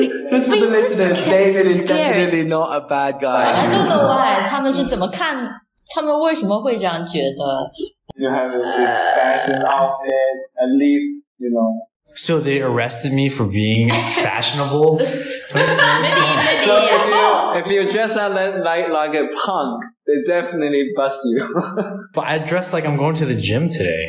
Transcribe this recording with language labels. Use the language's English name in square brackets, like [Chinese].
[English] Just for the listeners, David is definitely not a bad guy. I don't know why. [Chinese] 他们是怎么看？他们为什么会这样觉得？ [English] You have this fashion outfit, at least, you know. So they arrested me for being fashionable? So if you dress up like a punk, they definitely bust you. But I dress like I'm going to the gym today.